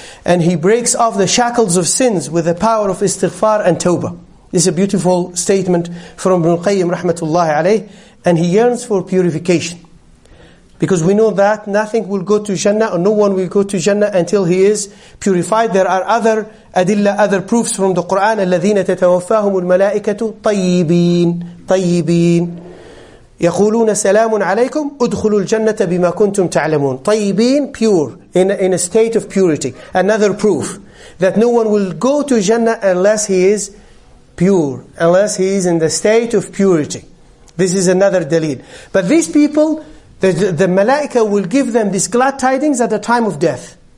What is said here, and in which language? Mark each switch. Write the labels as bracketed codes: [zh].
[en] And he breaks off the shackles of sins with the power of istighfar and tawbah. This is a beautiful statement from Ibn Qayyim rahmatullahi alayh, and he yearns for purification. Because we know that nothing will go to Jannah, or no one will go to Jannah until he is purified. There are other adilla, other proofs from the Quran, [ar] الَّذِينَ تَتَوَفَّاهُمُ الْمَلَائِكَةُ طَيِّبِينَ يَقُولُونَ سَلَامٌ عَلَيْكُمْ أُدْخُلُوا الْجَنَّةَ بِمَا كُنْتُمْ تَعْلَمُونَ. [en] طَيِّبِينَ, pure, in a state of purity. Another proof that no one will go to Jannah unless he is pure, unless he is in the state of purity. This is another delil. But these people, the malaika will give them these glad tidings at the time of death.